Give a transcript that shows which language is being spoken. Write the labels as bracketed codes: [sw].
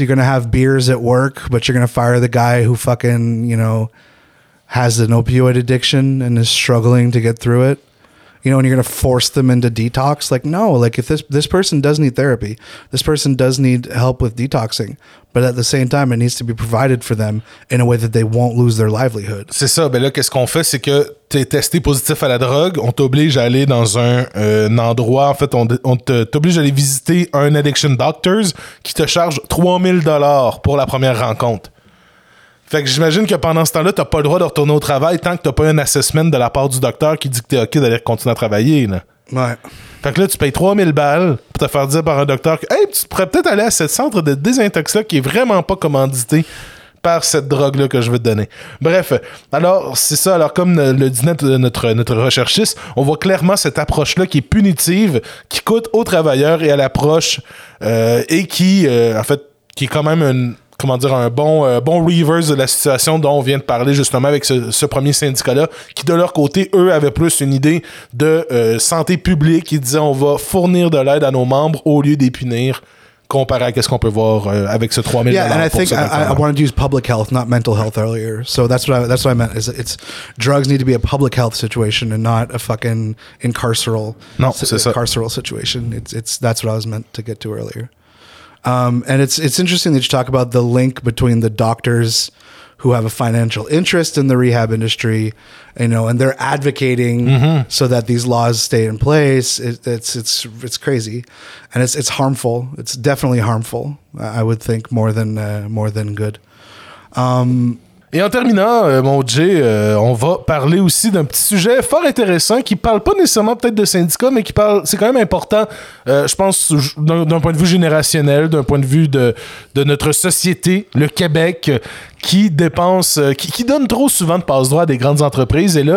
[en] You're gonna have beers at work, but you're gonna fire the guy who fucking, you know, has an opioid addiction and is struggling to get through it. You know, and you're gonna force them into detox. Like, no, like if this person does need therapy, this person does need help with detoxing. But at the same time, it needs to be provided for them in a way that they won't lose their livelihood. [fr] C'est ça. Ben là, qu'est-ce qu'on fait? C'est que t'es testé positif à la drogue. On t'oblige à aller dans un endroit. En fait, on t'oblige à aller visiter un addiction doctors qui te charge $3,000 pour la première rencontre. Fait que j'imagine que pendant ce temps-là, t'as pas le droit de retourner au travail tant que t'as pas un assessment de la part du docteur qui dit que t'es OK d'aller continuer à travailler, là. Ouais. Fait que là, tu payes 3000 balles pour te faire dire par un docteur que hey, tu pourrais peut-être aller à ce centre de désintox-là qui est vraiment pas commandité par cette drogue-là que je veux te donner. Bref, alors, c'est ça. Alors, comme le dit notre recherchiste, on voit clairement cette approche-là qui est punitive, qui coûte aux travailleurs et à l'approche, et qui est quand même un bon reverse de la situation dont on vient de parler justement avec ce premier syndicat-là, qui de leur côté, eux, avaient plus une idée de santé publique. Ils disaient on va fournir de l'aide à nos membres au lieu des punir, comparé à ce qu'on peut voir avec ce 3 000 $. [en] Yeah, and I think I wanted to use public health, not mental health earlier. So that's what I meant. It's drugs need to be a public health situation and not a fucking carceral situation. It's that's what I was meant to get to earlier. And it's interesting that you talk about the link between the doctors who have a financial interest in the rehab industry, you know, and they're advocating so that these laws stay in place. It's crazy, and it's harmful. It's definitely harmful, I would think, more than good. [fr] Et en terminant, mon Jay, on va parler aussi d'un petit sujet fort intéressant qui parle pas nécessairement peut-être de syndicats, mais qui parle, c'est quand même important, je pense, d'un point de vue générationnel, d'un point de vue de notre société, le Québec, qui dépensent, qui donnent trop souvent de passe-droit à des grandes entreprises et là...